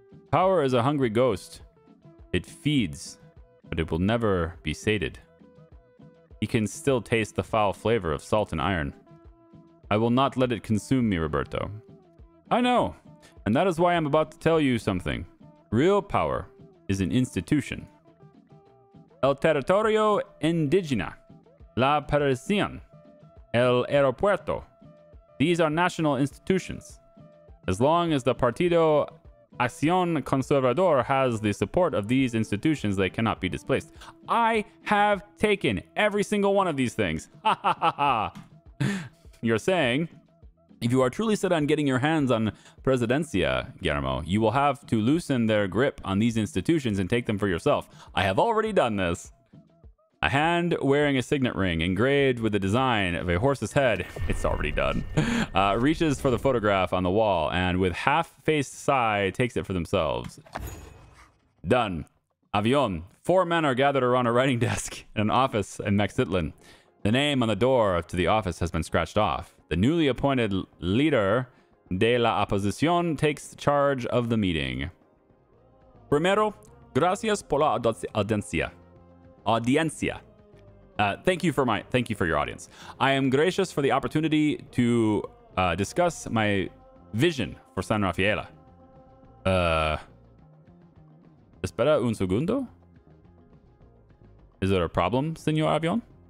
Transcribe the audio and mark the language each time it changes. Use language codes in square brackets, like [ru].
[en] Power is a hungry ghost. It feeds, but it will never be sated. He can still taste the foul flavor of salt and iron. I will not let it consume me, Roberto. I know, and that is why I'm about to tell you something. Real power is an institution. [es] El territorio indígena, la prisión, el aeropuerto. [en] These are national institutions. As long as the Partido Acción Conservador has the support of these institutions, they cannot be displaced. I have taken every single one of these things. Ha ha ha ha. You're saying, if you are truly set on getting your hands on Presidencia, Guillermo, you will have to loosen their grip on these institutions and take them for yourself. I have already done this. A hand wearing a signet ring engraved with the design of a horse's head, it's already done, reaches for the photograph on the wall and with half-faced sigh takes it for themselves. Done. Avion. Four men are gathered around a writing desk in an office in Mexitlan. The name on the door to the office has been scratched off. The newly appointed leader [es] de la oposición [en] takes charge of the meeting. [es] Primero, gracias por la audiencia. Audiencia. [en] Thank you for your audience. I am gracious for the opportunity to discuss my vision for San Rafaela. [es] Espera un segundo. [en] Is there a problem, Señor Avion?